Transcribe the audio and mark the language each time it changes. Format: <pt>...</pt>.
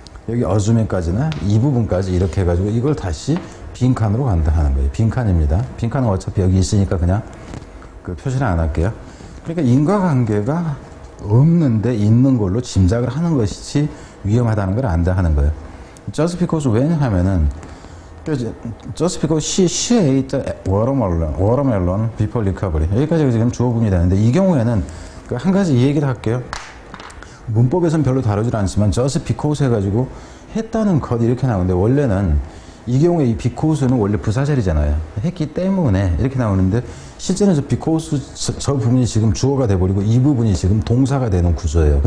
<ko>여기 어즈맨까지나 이 부분까지 이렇게 해가지고 이걸 다시 빈칸으로 간다 하는 거예요. 빈칸입니다. 빈칸은 어차피 여기 있으니까 그냥 그 표시를 안 할게요. 그러니까 인과관계가 없는데 있는 걸로 짐작을 하는 것이 위험하다는 걸 안다 하는 거예요.</ko> <en>Just because when</en> <ko>하면은</ko> <en>Just because she ate the watermelon before recovery.</en> <ko>여기까지 지금 주어분이 되는데 이 경우에는 그 한 가지 이 얘기를 할게요. 문법에서는 별로 다르질 않지만</ko> <en>just because</en> <ko>해가지고 했다는 것 이렇게 나오는데 원래는 이 경우에 이 because는 원래 부사절이잖아요. 했기 때문에 이렇게 나오는데 실제는 저 because 저 부분이 지금 주어가 돼버리고 이 부분이 지금 동사가 되는 구조예요.</ko>